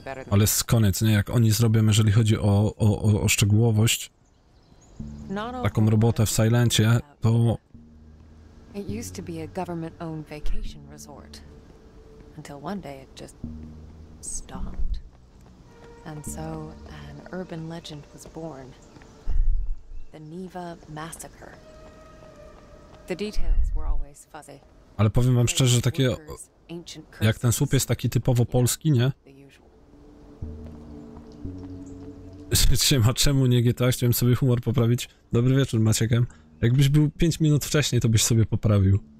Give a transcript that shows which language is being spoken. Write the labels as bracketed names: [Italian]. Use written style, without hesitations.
[Polish] Ale jest koniec, nie? Jak oni zrobią, jeżeli chodzi o szczegółowość, taką robotę w Silencie, to [English] It used to be a government-owned vacation resort. Until one day it just stopped. And so an urban legend was born. The Neva Massacre. The details were always fuzzy. [Polish] Ale powiem wam szczerze, że takie, jak ten słup jest taki typowo polski, nie? Siema, czemu nie GTA? Chciałem sobie humor poprawić. Dobry wieczór, Maciekiem. Jakbyś był 5 minut wcześniej, to byś sobie poprawił.